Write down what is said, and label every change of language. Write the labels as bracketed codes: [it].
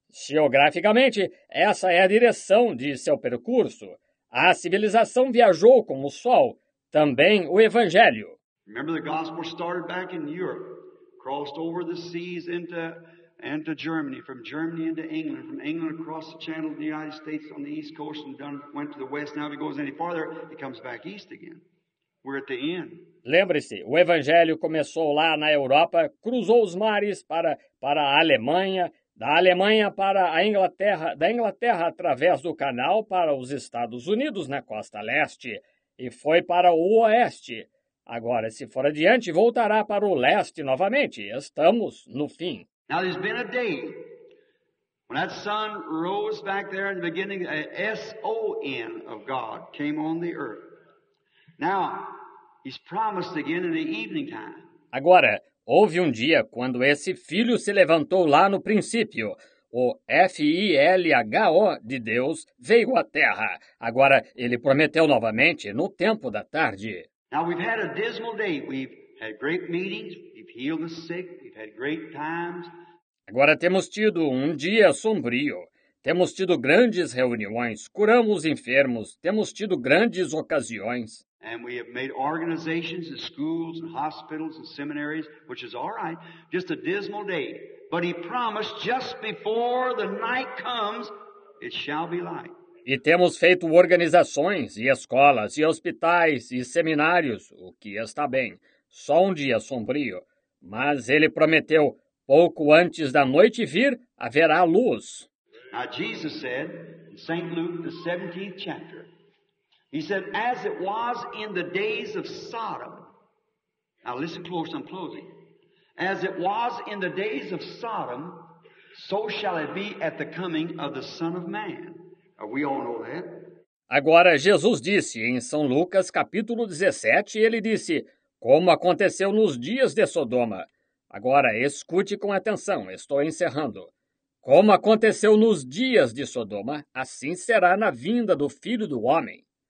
[pt] Geograficamente, essa é a direção de seu percurso. A civilização viajou com o sol, também o evangelho. [en] Remember the gospel started back in Europe, crossed over the seas into Germany, from Germany into England, from England across the channel to the United States on the east coast and done, went to the west. Now if it goes any farther, it comes back east again. We're at the end. [pt] Lembre-se, o evangelho começou lá na Europa, cruzou os mares para a Alemanha, da Alemanha para a Inglaterra, da Inglaterra através do canal para os Estados Unidos na costa leste, e foi para o oeste. Agora, se for adiante, voltará para o leste novamente. Estamos no fim. [en] Now there's been a day when that sun rose back there in the beginning, a S-O-N of God came on the earth. Now, he's promised again in the evening time. [pt] Agora, houve um dia quando esse filho se levantou lá no princípio. O F-I-L-H-O de Deus veio à terra. Agora, ele prometeu novamente no tempo da tarde. [en] Now, we've had a dismal day. We've had great meetings. We've healed the sick. We've had great times. [pt] Agora temos tido um dia sombrio. Temos tido grandes reuniões, curamos enfermos, temos tido grandes ocasiões. [en] And we have made organizations and schools and hospitals and seminaries, which is all right, just a dismal day. But he promised just before the night comes, it shall be light. [pt] E temos feito organizações e escolas e hospitais e seminários, o que está bem. Só um dia sombrio, mas ele prometeu, pouco antes da noite vir, haverá luz. [en] Now Jesus said in St. Luke, the 17th chapter, he said, as it was in the days of Sodom. Now listen close, I'm closing. As it was in the days of Sodom, so shall it be at the coming of the Son of Man. Now, we all know that. [pt] Agora Jesus disse em São Lucas, capítulo 17, ele disse, como aconteceu nos dias de Sodoma. Agora, escute com atenção, estou encerrando. Como aconteceu nos dias de Sodoma, assim será na vinda do Filho do Homem.